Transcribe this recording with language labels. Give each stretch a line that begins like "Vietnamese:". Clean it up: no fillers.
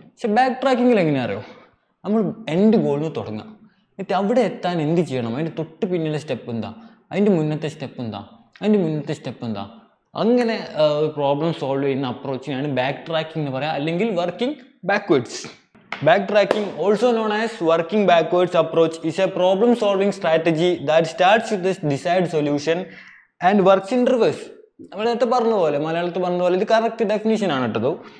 Malayalam: പക്ഷേ ബാക്ക് ട്രാക്കിങ്ങിൽ എങ്ങനെയാ അറിയോ, നമ്മൾ എൻഡ് ഗോളിൽ നിന്ന് തുടങ്ങുക, എന്നിട്ട് അവിടെ എത്താൻ എന്ത് ചെയ്യണം, അതിൻ്റെ തൊട്ട് പിന്നിലെ സ്റ്റെപ്പ് എന്താ, അതിൻ്റെ മുന്നത്തെ സ്റ്റെപ്പ് എന്താ, അതിൻ്റെ മുന്നത്തെ സ്റ്റെപ്പ് എന്താ, അങ്ങനെ പ്രോബ്ലം സോൾവ് ചെയ്യുന്ന അപ്രോച്ചിനാണ് ബാക്ക് ട്രാക്കിംഗ് എന്ന് പറയുക, അല്ലെങ്കിൽ working backwards.
English: Back tracking, also known as working backwards approach, is a problem solving strategy that starts with the desired solution and works in reverse.
Malayalam: നമ്മളെ നേരത്തെ പറഞ്ഞ പോലെ, മലയാളത്തിൽ പറഞ്ഞ പോലെ ഇത് കറക്റ്റ് ഡെഫിനിഷൻ ആണ് കേട്ടോ.